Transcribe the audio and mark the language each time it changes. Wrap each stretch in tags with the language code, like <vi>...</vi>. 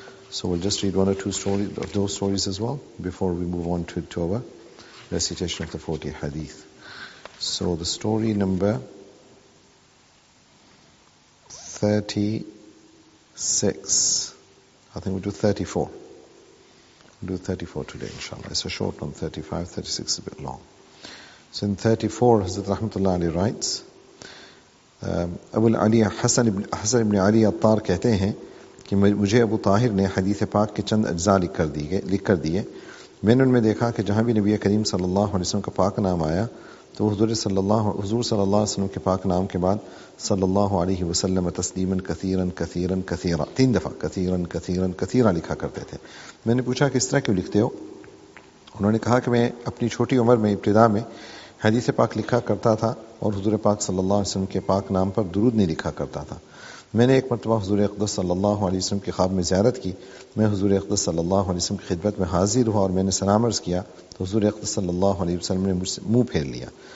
<en>So will just read one or two stories of those stories as well before we move on to our recitation of the 40 حدیث. So the story number 36, I think we'll do 34. We'll do 34 today, inshallah. It's a short one, 35, 36 is a bit long. So in 34, Hazrat Rahmatullah Ali writes,</en> <ur>Abu Ali Hassan ibn Ali Attar kehte hain ki mujhe Abu Tahir ne hadith paak ke chand ajza likh kar diye. Main unme dekha ki jahan bhi Nabiy Kareem sallallahu alaihi wasallam ka paak naam aaya تو حضور صلی اللہ علیہ وسلم کے پاک نام کے بعد صلی اللہ علیہ وسلم تسلیماً کثیراً کثیراً کثیراً تین دفعہ کثیراً کثیراً کثیراً لکھا کرتے تھے. میں نے پوچھا کہ اس طرح کیوں لکھتے ہو؟ انہوں نے کہا کہ میں اپنی چھوٹی عمر میں ابتدا میں حدیث پاک لکھا کرتا تھا اور حضور پاک صلی اللہ علیہ وسلم کے پاک نام پر درود نہیں لکھا کرتا تھا. میں نے ایک مرتبہ حضور اقدس صلی اللہ علیہ وسلم کے خواب میں زیارت کی. میں حضور اقدس صلی اللہ علیہ وسلم کی خدمت میں حاضر ہوا اور میں نے سلام عرض کیا تو حضور اقدس صلی اللہ علیہ وسلم نے مجھ سے منہ پھیر لیا.</ur>